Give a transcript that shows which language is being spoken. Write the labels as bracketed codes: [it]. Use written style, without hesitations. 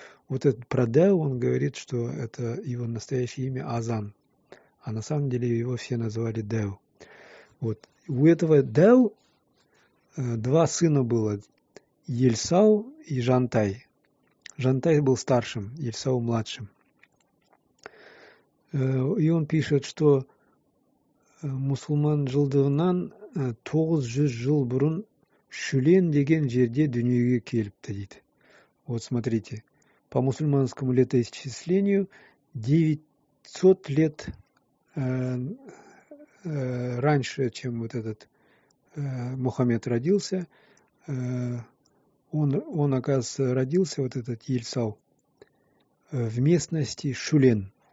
[ru] Вот этот про Дэу он говорит, что это его настоящее имя Азан. А на самом деле его все называли Дэу. Вот. У этого Дэу два сына было, Ельсау и Жантай. Жантай был старшим, Ельсау младшим. И он пишет, что [kk] мусульман жылдығынан 900 жыл бұрын Шулен деген жерде дүниеге келіпті, дейді. [ru] Вот смотрите, по мусульманскому летоисчислению 900 лет раньше, чем вот этот Мухаммед родился, он, оказывается, родился, вот этот Ельцал, в местности Шулен.